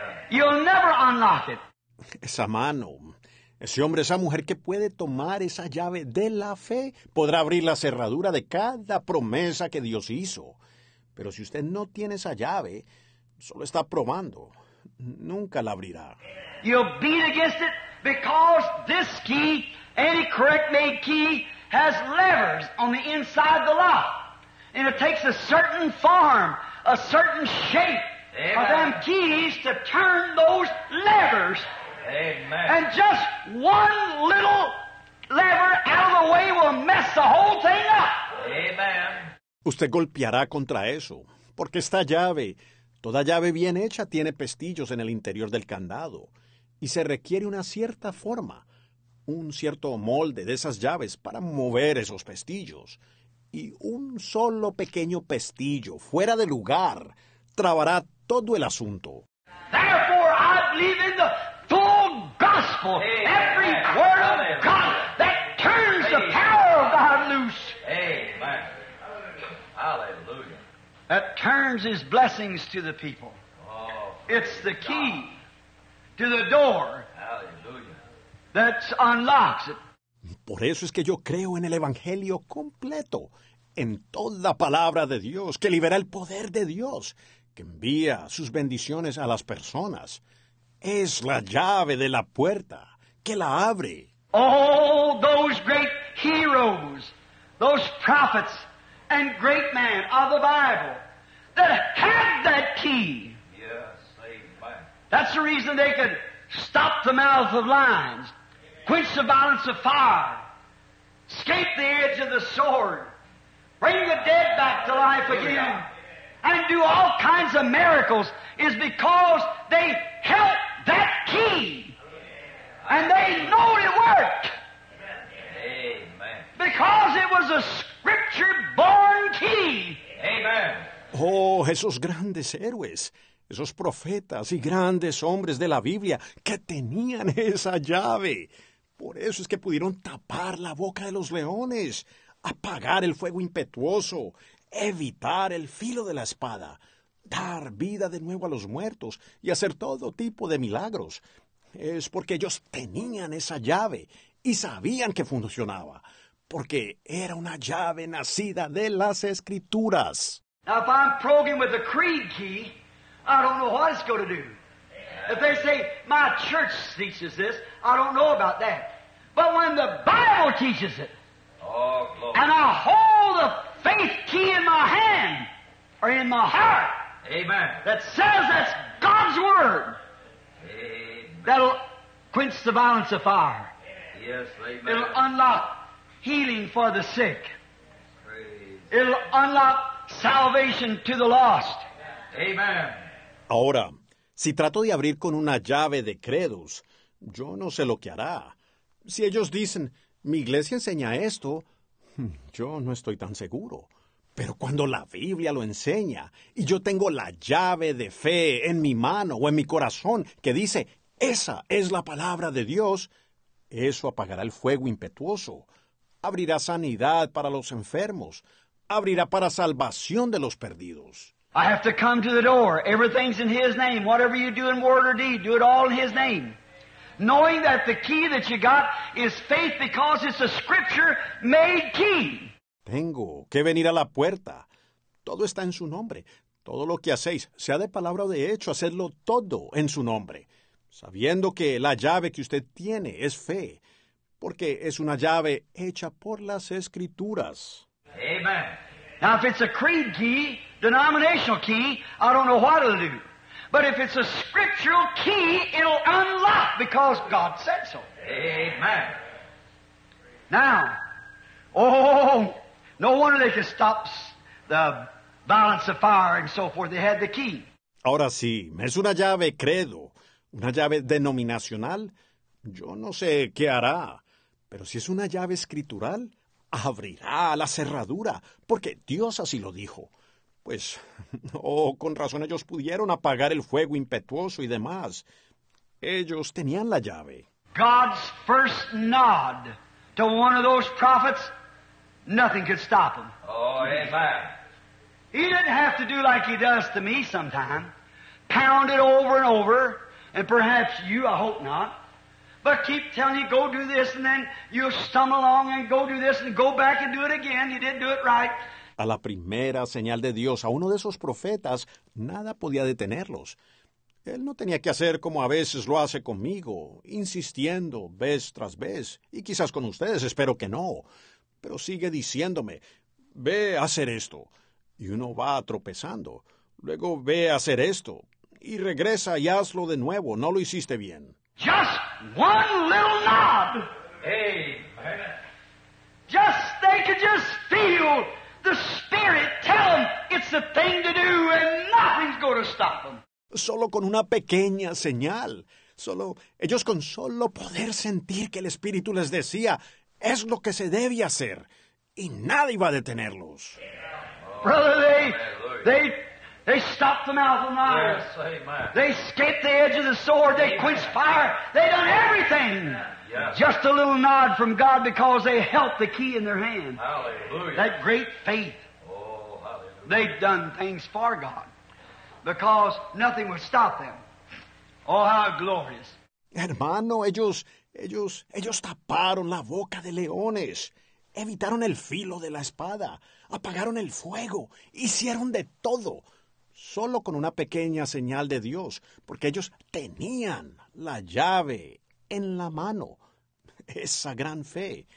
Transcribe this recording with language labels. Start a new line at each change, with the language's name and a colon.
English: You'll never unlock it.
Spanish: Esa mano, ese hombre, esa mujer que puede tomar esa llave de la fe, podrá abrir la cerradura de cada promesa que Dios hizo. Pero si usted no tiene esa llave, solo está probando, nunca la abrirá.
English: You'll beat against it because this key, any correct made key, has levers on the inside of the lock. And it takes a certain form, a certain shape. Amen. Of them keys to turn those levers. Amen. And just one little lever out of the way will mess the whole thing up. Amen.
Spanish: Usted golpeará contra eso, porque esta llave, toda llave bien hecha, tiene pestillos en el interior del candado, y se requiere una cierta forma, un cierto molde de esas llaves para mover esos pestillos. Y un solo pequeño pestillo, fuera de lugar, trabará todo el asunto.
English: Therefore, I believe in the full gospel, every word of God that turns the power of God loose. Amen. Hallelujah. That turns His blessings to the people. Oh, it's the key to the door. Hallelujah. That unlocks it.
Spanish: Por eso es que yo creo en el Evangelio completo, en toda palabra de Dios, que libera el poder de Dios, que envía sus bendiciones a las personas. Es la llave de la puerta que la abre.
English: All those great heroes, those prophets and great men of the Bible that had that key. Yes, amen. That's the reason they could stop the mouth of lions, quench the violence of fire, escape the edge of the sword, bring the dead back to life again, and do all kinds of miracles, is because they held that key. And they know it worked. Amen. Because it was a scripture-born key. Amen.
Spanish: Oh, esos grandes héroes, esos profetas y grandes hombres de la Biblia que tenían esa llave. Por eso es que pudieron tapar la boca de los leones, apagar el fuego impetuoso, evitar el filo de la espada, dar vida de nuevo a los muertos y hacer todo tipo de milagros. Es porque ellos tenían esa llave y sabían que funcionaba, porque era una llave nacida de las Escrituras.
English: Now, if I'm probing with the creed key, I don't know what it's going to do. If they say, my church teaches this, I don't know about that. But when the Bible teaches it, and I hold the faith key in my hand, or in my heart, amen, that says that's God's word, amen, that'll quench the violence of fire. Yes, amen. It'll unlock healing for the sick. Praise. It'll unlock salvation to the lost. Amen.
Spanish: Ahora, si trato de abrir con una llave de credos, yo no sé lo que hará. Si ellos dicen, mi iglesia enseña esto, yo no estoy tan seguro. Pero cuando la Biblia lo enseña y yo tengo la llave de fe en mi mano o en mi corazón que dice, esa es la palabra de Dios, eso apagará el fuego impetuoso, abrirá sanidad para los enfermos, abrirá para salvación de los perdidos.
English: I have to come to the door. Everything's in His name. Whatever you do in word or deed, do it all in His name. Knowing that the key that you got is faith because it's a scripture-made key.
Spanish: Tengo que venir a la puerta. Todo está en su nombre. Todo lo que hacéis, sea de palabra o de hecho, hacedlo todo en su nombre. Sabiendo que la llave que usted tiene es fe, porque es una llave hecha por las Escrituras.
English: Amen. Now, if it's a creed key, denominational key, I don't know what it'll do. But if it's a scriptural key, it'll unlock because God said so. Amen. Now, oh, no wonder they could stop the violence of fire and so forth. They had the key.
Spanish: Ahora sí, es una llave credo, una llave denominacional. Yo no sé qué hará, pero si es una llave escritural, abrirá la cerradura, porque Dios así lo dijo. Pues, con razón ellos pudieron apagar el fuego impetuoso y demás. Ellos tenían la llave.
English: God's first nod to one of those prophets, nothing could stop him. Oh, amen. He didn't have to do like he does to me sometimes, pound it over and over, and perhaps you, I hope not, but keep telling you, go do this, and then you'll stumble along and go do this, and go back and do it again. You didn't do it right.
Spanish: A la primera señal de Dios, a uno de esos profetas, nada podía detenerlos. Él no tenía que hacer como a veces lo hace conmigo, insistiendo vez tras vez, y quizás con ustedes, espero que no. Pero sigue diciéndome, ve a hacer esto, y uno va tropezando. Luego ve a hacer esto, y regresa y hazlo de nuevo, no lo hiciste bien.
English: Just one little nod. Hey, just, they could just feel the Spirit tell them it's the thing to do and nothing's going to stop them.
Spanish: Solo con una pequeña señal, solo ellos con solo poder sentir que el Espíritu les decía es lo que se debe hacer y nada iba a detenerlos.
English: Brother, they stopped the mouth of the liar. Yes, amen. They escaped the edge of the sword. They quenched fire. They done everything. Yes. Just a little nod from God because they held the key in their hand. Hallelujah. That great faith. Oh, hallelujah. They've done things for God because nothing would stop them. Oh, how glorious.
Spanish: Hermano, ellos taparon la boca de leones, evitaron el filo de la espada, apagaron el fuego, hicieron de todo, solo con una pequeña señal de Dios, porque ellos tenían la llave en la mano, esa gran fe.